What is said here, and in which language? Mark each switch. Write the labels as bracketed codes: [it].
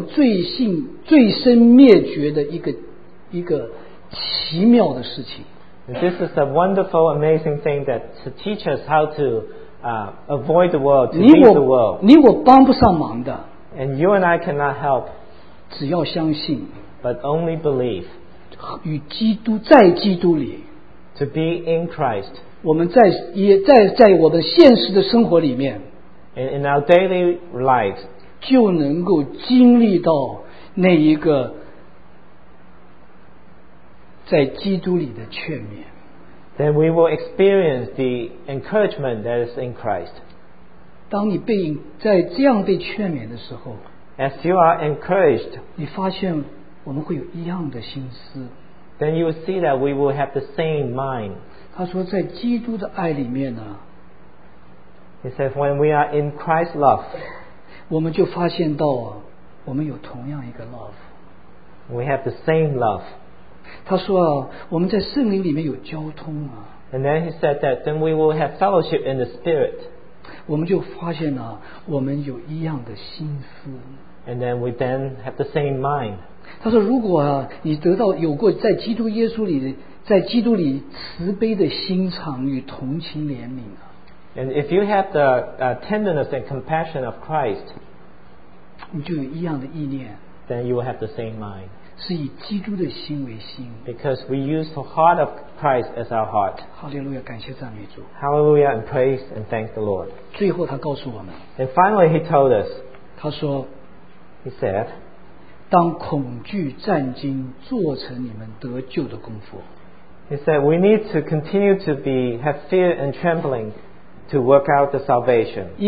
[zh] 这个是叫我们告诉我们怎么样脱离那个恶者，脱离世界，脱离我叫我们罪性、罪身灭绝的一个。一个奇妙的事情。 [en] This is a wonderful, amazing thing that to teach us how to avoid the world, to leave the world. [zh] 你我帮不上忙的。 [en] And you and I cannot help. [zh] 只要相信。 [en] But only believe. [zh] 与基督在基督里。 [en] To be in Christ. [zh] 我们在我们现实的生活里面。 [en] And in our daily life. [zh] 就能够经历到那一个。在基督里的劝勉, [en] then we will experience the encouragement that is in Christ. [zh] 当你被这样被劝勉的时候, [en] as you are encouraged, [zh] 你发现我们会有一样的心思, [en] then you will see that we will have the same mind. [zh] 他说在基督的爱里面呢, [en] he says when we are in Christ's love, [zh] 我们就发现到我们有同样一个 love. [en] We have the same love. [zh] 他说啊, 我们在圣灵里面有交通啊, [en] and then he said that then we will have fellowship in the spirit. [zh] 我们就发现啊, 我们有一样的心思, [en] and then we then have the same mind. [zh] 他说, 如果啊, 你得到有过在基督耶稣里, 在基督里慈悲的心肠与同情怜悯啊, [en] and if you have the tenderness and compassion of Christ, [zh] 你就有一样的意念, [en] then you will have the same mind. [zh] 是以基督的心为心, [en] because we use the heart of Christ as our heart. [zh] Hallelujah, 感谢赞美主。 [en] Hallelujah and praise and thank the Lord. [zh] 最后他告诉我们, [en] and finally he told us, [zh] 他说, [en] he said, [zh] 当恐惧战惊做成你们得救的功夫, [en] he said we need to continue to be have fear and trembling to work out the salvation.